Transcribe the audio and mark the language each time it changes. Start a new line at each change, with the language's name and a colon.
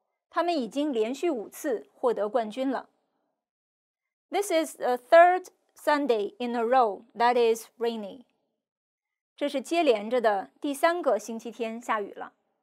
Chinese: 他们已经连续五次获得冠军了。
English: This is the third Sunday in a row that is rainy.
Chinese: 这是接连着的第三个星期天下雨了。